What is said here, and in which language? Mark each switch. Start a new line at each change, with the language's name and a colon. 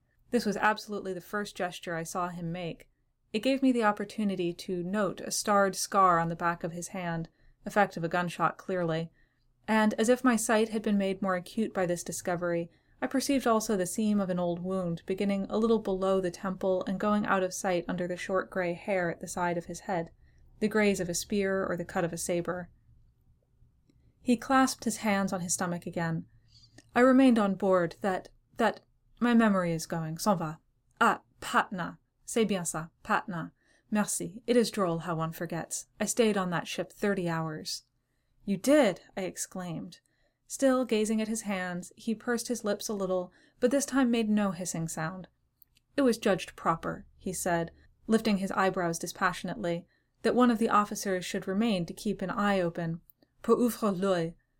English: This was absolutely the first gesture I saw him make. It gave me the opportunity to note a starred scar on the back of his hand, effect of a gunshot clearly, and as if my sight had been made more acute by this discovery, I perceived also the seam of an old wound beginning a little below the temple and going out of sight under the short gray hair at the side of his head, the graze of a spear or the cut of a saber. He clasped his hands on his stomach again. "I remained on board, that, my memory is going,
French: s'en va. Ah, Patna, c'est bien ça, Patna.
English: Merci, it is droll how one forgets. I stayed on that ship 30 hours. "You did," I exclaimed. Still gazing at his hands, he pursed his lips a little, but this time made no hissing sound. "It was judged proper," he said, lifting his eyebrows dispassionately, "that one of the officers should remain to keep an eye open.
French: Pour ouvrir l'œil."